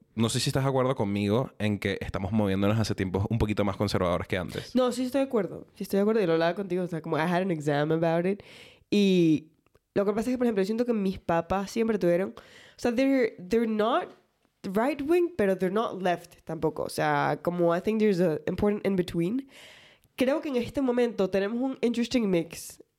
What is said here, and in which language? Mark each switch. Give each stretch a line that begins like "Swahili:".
Spanish: no sé si estás de acuerdo conmigo en que estamos moviéndonos hace tiempos un poquito más conservadores que antes. No, sí estoy de acuerdo. Sí estoy de acuerdo. Y lo hablaba contigo. O sea, como,
English: I had an exam about it.
Spanish: Y lo que pasa es que, por ejemplo, yo siento que mis papás siempre tuvieron... o sea,
English: they're not right wing,
Spanish: pero
English: they're not left
Spanish: tampoco. O sea, como,
English: I think there's an important in between.
Spanish: Creo que en este momento tenemos un
English: interesting mix.